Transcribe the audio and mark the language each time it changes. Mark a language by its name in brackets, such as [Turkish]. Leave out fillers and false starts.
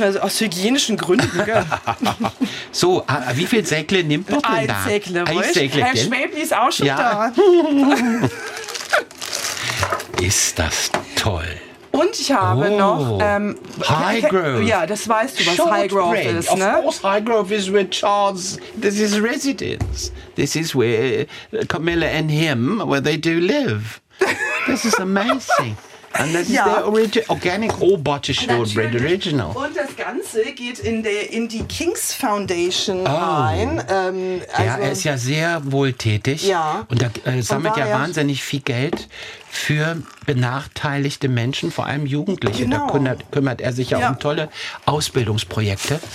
[German] Aus hygienischen Gründen, gell? So, wie viel Säckle nimmt man denn da? Ein Säckle. Herr Schwäbli ist auch schon da. Ist das toll. Und ich habe noch Highgrove. Ja, das weißt du, was Highgrove ist, ne? [English] Of course, Highgrove is where Charles, this is residence. This is where Camilla and him, where they do live. This is amazing. And that is their organic all butter shortbread original. [German] Und das Ganze geht in die King's Foundation ein. Also ja, er ist ja sehr wohltätig. Ja. Und er sammelt ja wahnsinnig viel Geld für benachteiligte Menschen, vor allem Jugendliche. Genau. Da kümmert er sich auch um tolle Ausbildungsprojekte.